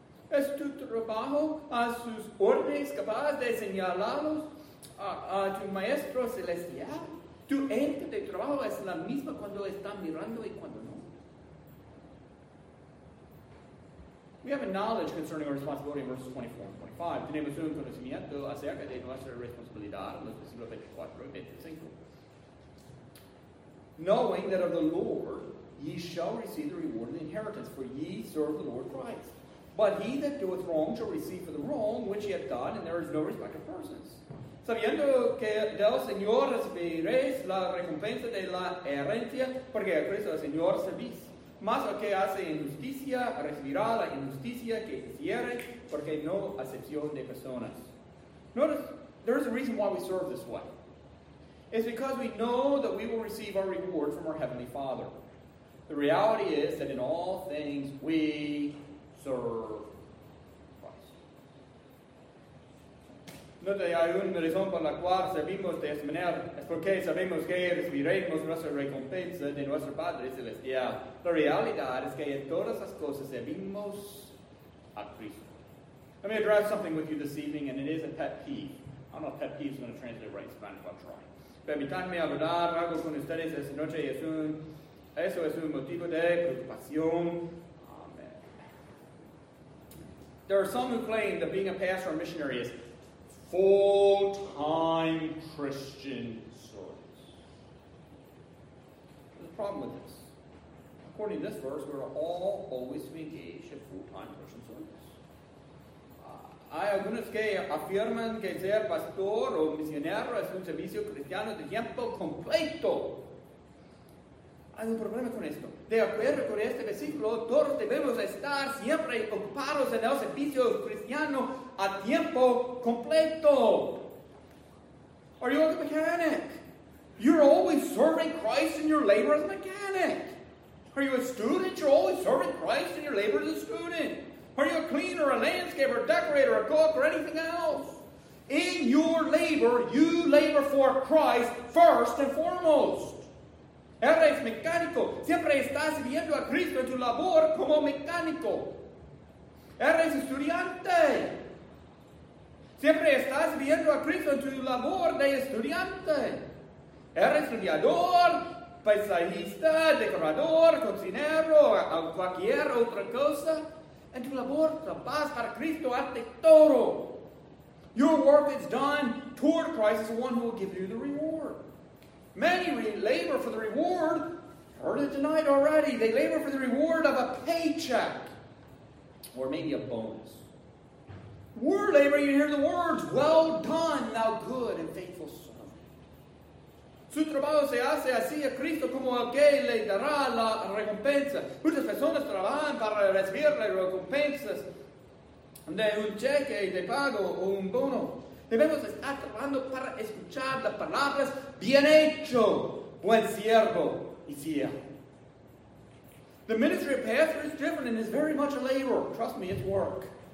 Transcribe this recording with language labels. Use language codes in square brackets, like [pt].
[es] ¿Es tu trabajo a sus órdenes capaz de señalarlos a tu maestro celestial? ¿Tu ente de trabajo es la misma cuando están mirando y cuando no? [en] We have a knowledge concerning our responsibility in verses 24 and 25. [es] Tenemos un conocimiento acerca de nuestra responsabilidad en los versículos 24 y 25. [en] Knowing that of the Lord ye shall receive the reward of the inheritance, for ye serve the Lord Christ. But he that doeth wrong shall receive for the wrong which he hath done, and there is no respect of persons. [es] Sabiendo que del Señor recibiréis la recompensa de la herencia, porque a Cristo el Señor servís. Mas el que hace injusticia recibirá la injusticia que hiciere, porque no acepción de personas. [en] Notice, there is a reason why we serve this way. It's because we know that we will receive our reward from our Heavenly Father. The reality is that in all things we serve Christ. [es] Note hay una razón por la cual servimos de esa manera. Es porque sabemos que recibiremos nuestra recompensa de nuestro Padre Celestial. La realidad es que en todas las cosas servimos a Cristo. [en] Let me address something with you this evening, and it is a pet peeve. I don't know if pet peeve is going to translate right in Spanish, but I'm trying. [es] Permítanme abordar algo con ustedes esta noche. Eso es un motivo de preocupación. Amen. [en] There are some who claim that being a pastor or missionary is full-time Christian service. There's a problem with this. According to this verse, we are all always to be engaged in full-time Christian service. [es] Hay algunos que afirman que ser pastor o misionero es un servicio cristiano de tiempo completo. Hay un problema con esto. De acuerdo con este versículo, todos debemos estar siempre ocupados en el servicio cristiano a tiempo completo. [en] Are you a mechanic? You're always serving Christ in your labor as a mechanic. Are you a student? You're always serving Christ in your labor as a student. Are you a cleaner, a landscaper, a decorator, a cook, or anything else? In your labor, you labor for Christ first and foremost. [es] Eres mecánico. Siempre estás sirviendo a Cristo en tu labor como mecánico. Eres estudiante. Siempre estás sirviendo a Cristo en tu labor de estudiante. Eres estudiador. paisajista, decorador, cocinero, o cualquier otra cosa. En tu labor trabajas para Cristo ante todo. [en] Your work is done toward Christ as the one who will give you the reward. Many labor for the reward. Heard it tonight already. They labor for the reward of a paycheck. Or maybe a bonus. Word labor, you hear the words, well done, thou good and faithful servant. [es] Su trabajo se hace así a Cristo como el que le dará la recompensa. Muchas personas trabajan para recibir las recompensas de un cheque de pago o un bono. Debemos estar trabajando para escuchar las palabras, bien hecho, buen siervo y fiel. [en] The ministry of pastor is different and is very much a labor. Trust me, it's work.